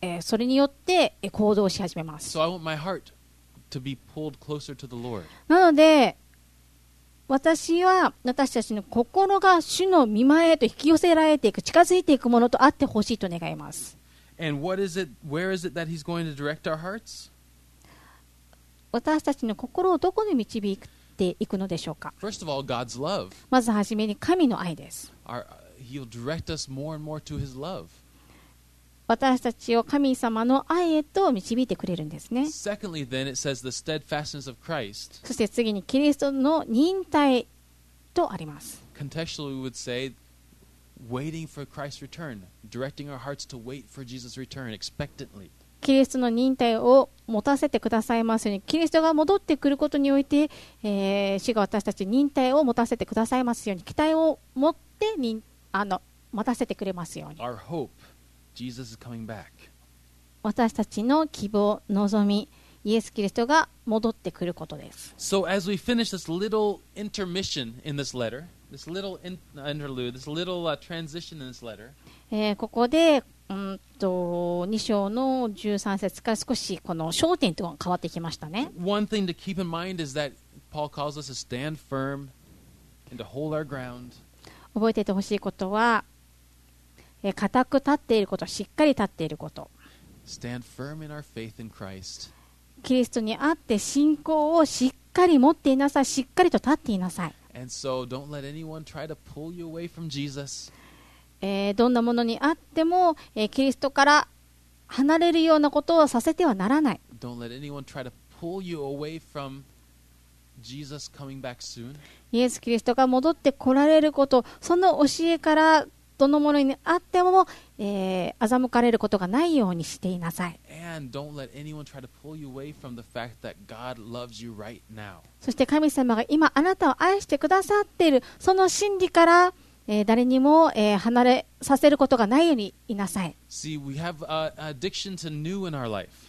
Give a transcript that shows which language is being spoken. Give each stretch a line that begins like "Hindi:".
Japanese: それによって行動し始めます。
English: So I want my heart to be pulled closer to the Lord.
Japanese: なので私たちの心が主の御前へと引き寄せられていく、近づいていくものとあってほしいと願います。
English: And what is it, where is it that he's going to direct our hearts?
Japanese: 私たちの心をどこに導いていくのでしょうか。
English: First of all, God's love.
Japanese: まずはじめに神の愛です。
English: He'll direct us more and more to his love.
Japanese: 私たちを神様の愛へと導いてくれるんですね。
English: Secondly, then, it says the steadfastness of Christ.
Japanese: そして次にキリストの忍耐とあります。
English: Contextually, we would say waiting for Christ's return, directing our hearts to wait for Jesus' return expectantly.
Japanese: キリストの忍耐を持たせてくださいますように、キリストが戻ってくることにおいて、主が私たち忍耐を持たせてくださいますように、期待を持って待たせてくれますように。
English: Our hope, Jesus is coming back.
Japanese: 私たちの希望、望み、イエス・キリストが戻ってくることです。
English: So as we finish this little intermission in this letter, this little interlude, this little transition in this letter,
Japanese: ここで2章の13節から少しこの焦点とは変わってきましたね。
English: One thing to keep in mind is that Paul calls us to stand firm and to hold our ground.
Japanese: 覚えててほしいことは、固く立っていること、しっかり立っていること。
English: Stand firm in our faith in Christ.
Japanese: キリストにあって信仰をしっかり持っていなさい、しっかりと立っていなさい。
English: And so don't let anyone try to pull you away from Jesus.
Japanese: どんなものにあっても、キリストから離れるようなことをさせてはならない。
English: Don't let anyone try to pull you away from Jesus coming back soon.
Japanese: イエス・キリストが戻ってこられること、その教えからどのものにあっても、欺かれることがないようにしていなさい。
English: And don't let anyone try to pull you away from the fact that God loves you right now.
Japanese: そして神様が今あなたを愛してくださっているその真理から誰にも離れさせることがないようにいなさい。
English: See, we have addiction to new in our life.